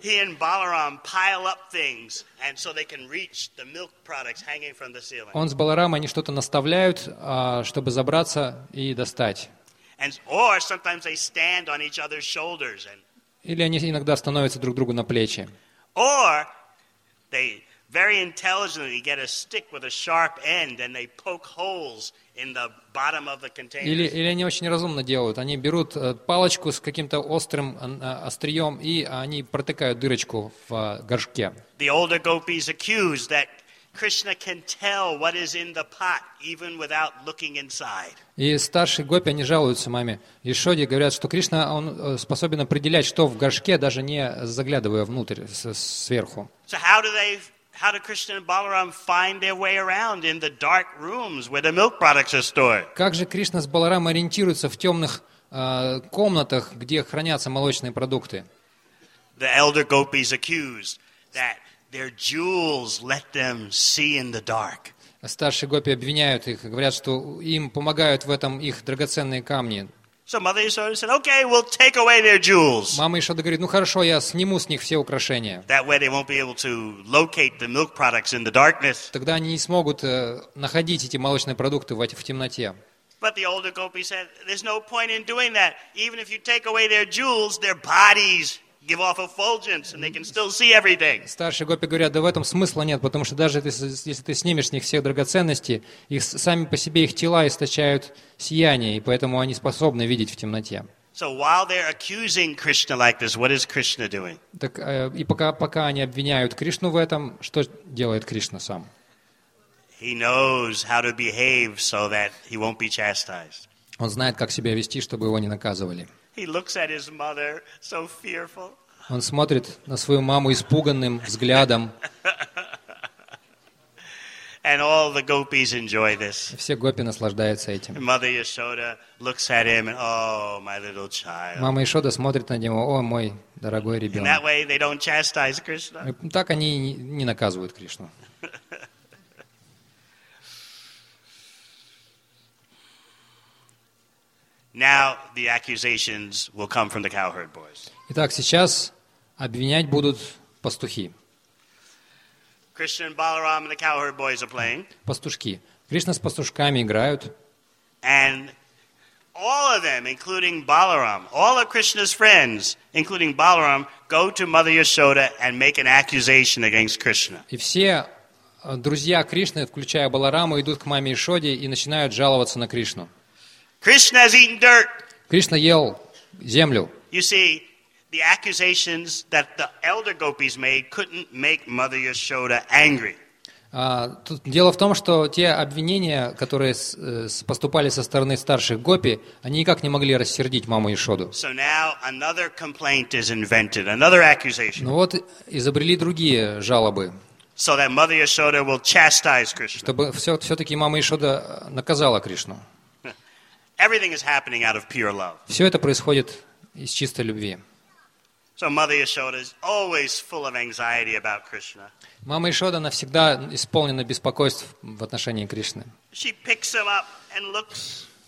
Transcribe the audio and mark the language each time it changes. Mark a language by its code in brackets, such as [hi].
[en] He and Balaram pile up things, and so they can reach the milk products hanging from the ceiling. [ru] Он с Баларамом они что-то наставляют, чтобы забраться и достать. [en] And or sometimes they stand on each other's shoulders. [ru] Или они иногда становятся друг другу на плечи. [en] Or they very intelligently get a stick with a sharp end and they poke holes in the bottom of the container. [ru] Или они очень разумно делают. Они берут палочку с каким-то острым острием и они протыкают дырочку в горшке. [en] The older gopis accuse that Krishna can tell what is in the pot even without looking inside. [ru] И старшие гопи они жалуются маме Яшоде, говорят, что Кришна он способен определять, что в горшке, даже не заглядывая внутрь сверху. [en] So how do Krishna and Balaram find their way around in the dark rooms where the milk products are stored? [ru] Как же Кришна с Баларамом ориентируются в темных комнатах, где хранятся молочные продукты? [en] The elder gopis accused that their jewels let them see in the dark. [ru] Старшие гопи обвиняют их, говорят, что им помогают в этом их драгоценные камни. [en] So Mother Yashoda said, "Okay, we'll take away their jewels." [ru] Мама Яшода говорит: "Ну хорошо, я сниму с них все украшения." [en] That way they won't be able to locate the milk products in the darkness. [ru] Тогда они не смогут находить эти молочные продукты в темноте. [en] But the older gopi said, "There's no point in doing that. Even if you take away their jewels, their bodies give off effulgence and they can still see everything." [ru] Старшие гопи говорят: "Да в этом смысла нет, потому что даже если ты снимешь с них все драгоценности, их сами по себе их тела источают сияние, и поэтому они способны видеть в темноте." [en] So while they're accusing Krishna like this, what is Krishna doing? [ru] Так и пока они обвиняют Кришну в этом, что делает Кришна сам? [en] He knows how to behave so that he won't be chastised. [ru] Он знает, как себя вести, чтобы его не наказывали. [en] He looks at his mother so fearful. [ru] Он смотрит на свою маму испуганным взглядом. [en] And all the gopis enjoy this. [ru] Все гопи наслаждаются этим. [en] Mother Yashoda looks at him and, "Oh, my little child." [ru] Мама Яшода смотрит на него: "О, мой дорогой ребёнок." [en] That way they don't chastise Krishna. [ru] Так они не наказывают Кришну. [en] Now the accusations will come from the cowherd boys. [ru] Итак, сейчас обвинять будут пастухи. [en] Krishna and Balaram and the cowherd boys are playing. [ru] Пастушки. Кришна с пастушками играют. [en] And all of them, including Balaram, all of Krishna's friends, including Balaram, go to Mother Yashoda and make an accusation against Krishna. [ru] И все друзья Кришны, включая Балараму, идут к маме Яшоде и начинают жаловаться на Кришну. [en] Krishna has eaten dirt. [ru] Кришна ел землю. [en] You see, the accusations that the elder gopis made couldn't make Mother Yashoda angry. [ru] Тут дело в том, что те обвинения, которые поступали со стороны старших гопи, они никак не могли рассердить маму Яшоду. [en] So now another complaint is invented, another accusation. [ru] Ну вот изобрели другие жалобы. [en] So that Mother Yashoda will chastise Krishna. [ru] Чтобы все-таки мама Яшода наказала Кришну. [en] Everything is happening out of pure love. [ru] Все это происходит из чистой любви. [en] So Mother Yashoda is always full of anxiety about Krishna. [ru] Мама Яшода навсегда исполнена беспокойств в отношении Кришны. [en] She picks him up and looks.